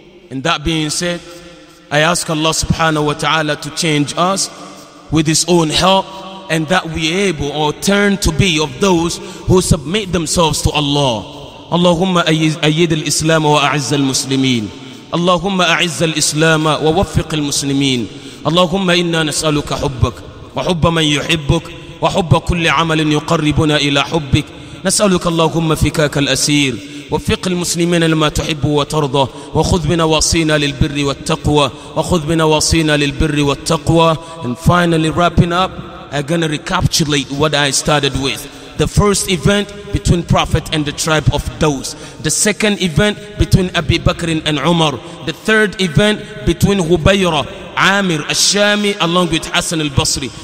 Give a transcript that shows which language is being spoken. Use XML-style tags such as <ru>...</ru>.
<en>And that being said, I ask Allah subhanahu wa ta'ala to change us with his own help, and that we are able or turn to be of those who submit themselves to Allah.</en> <ar>Allahumma ayyid al-Islam wa a'izz al-Muslimin. اللهم أعز الإسلام ووفق المسلمين. اللهم إنا نسألك حبك وحب من يحبك وحب كل عمل يقربنا إلى حبك. نسألك اللهم فكاك الأسير، وفق المسلمين لما تحب وترضى، وخذ بنواصينا للبر والتقوى، وخذ بنواصينا للبر والتقوى.</ar> <en>And finally wrapping up, I'm gonna recapitulate what I started with. The first event between Prophet and the tribe of Daus. The second event between Abi Bakr and Umar. The third event between Hubayra, Amir al-Shami along with Hassan al-Basri.</en>